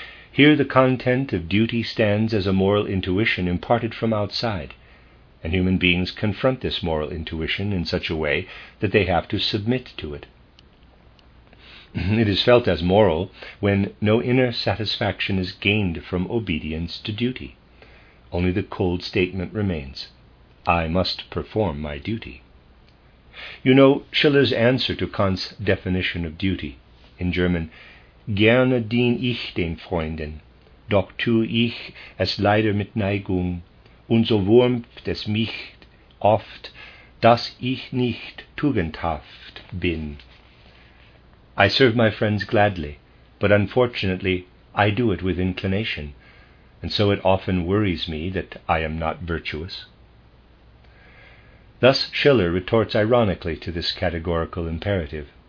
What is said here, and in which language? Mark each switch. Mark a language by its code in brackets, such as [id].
[en] Here the content of duty stands as a moral intuition imparted from outside, and human beings confront this moral intuition in such a way that they have to submit to it. It is felt as moral when no inner satisfaction is gained from obedience to duty. Only the cold statement remains, I must perform my duty. You know Schiller's answer to Kant's definition of duty, in German, [de] Gerne dien ich den Freunden, doch tu ich es leider mit Neigung, und so wurmt es mich oft, dass ich nicht tugendhaft bin. [en] I serve my friends gladly, but unfortunately I do it with inclination, and so it often worries me that I am not virtuous. Thus Schiller retorts ironically to this categorical imperative.